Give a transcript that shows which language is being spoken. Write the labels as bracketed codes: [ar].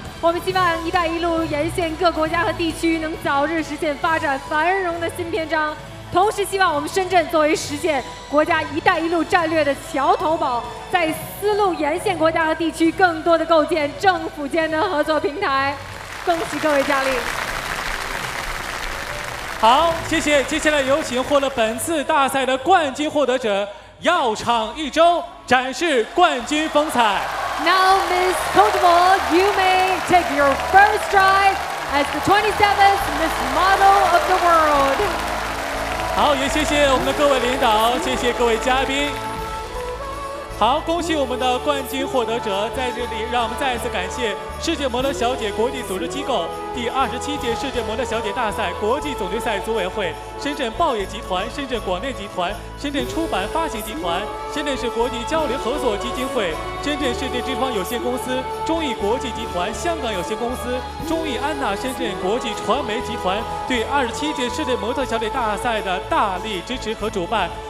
[zh] 我们希望一带一路沿线各国家和地区能早日实现发展繁荣的新篇章，同时希望我们深圳作为实现国家一带一路战略的桥头堡，在丝路沿线国家和地区更多的构建政府间的合作平台。恭喜各位佳丽。好，谢谢。接下来有请获得本次大赛的冠军获得者耀场一周，展示冠军风采。 [en] Now, Ms. Cotemore, you may take your first stride as the 27th Miss Model of the World. [zh] 好，也谢谢我们的各位领导，谢谢各位嘉宾。好，恭喜我们的冠军获得者，在这里让我们再次感谢世界模特小姐国际组织机构第27届世界模特小姐大赛国际总决赛组委会、深圳报业集团、深圳广电集团、深圳出版发行集团、深圳市国际交流合作基金会、深圳世界之窗有限公司、中艺国际集团、香港有限公司、中艺安娜深圳国际传媒集团对27届世界模特小姐大赛的大力支持和主办。